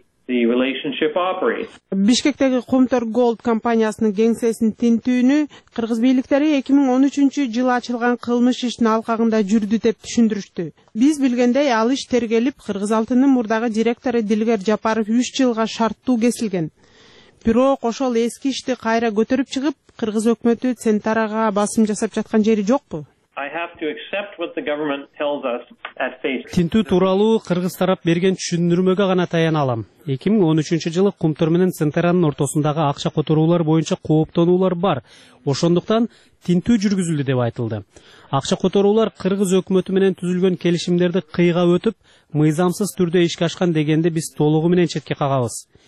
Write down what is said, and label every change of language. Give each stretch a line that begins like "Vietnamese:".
Kyrgyz: Бишкектеги Кумтөр Gold компаниясынын кеңсесинин тинтүүнү кыргыз бийликтери 2013 жылы ачылган кылмыш иштин алкагында жүрдү деп түшүндүрүштү. Биз билгендей ал иш тергелип, Кыргыз Алтынынын мурдагы директору Дилгер Жапаров 3 жылга шарттуу кесилген. Бирок ошол эски ишти кайра көтөрүп чыгып, кыргыз өкмөтү Центрага басым жасап жаткан жери жокпу?
English: I have to accept what the government tells us at face.
Kyrgyz: Тинтүү тууралуу кыргыз тарап берген түшүндүрмөгө гана таянам. 2013 жылы Кумтур менен Центеранын ортосундагы акча которуулар боюнча кооптонуулар бар. Ошондуктан тинтүү жүргүзүлдү деп айтылды. Акча которуулар кыргыз өкмөтү менен түзүлгөн келишимдерди кыйга өтүп, мыйзамсыз түрдө ишке ашкан дегенде биз толугу менен четке кагабыз.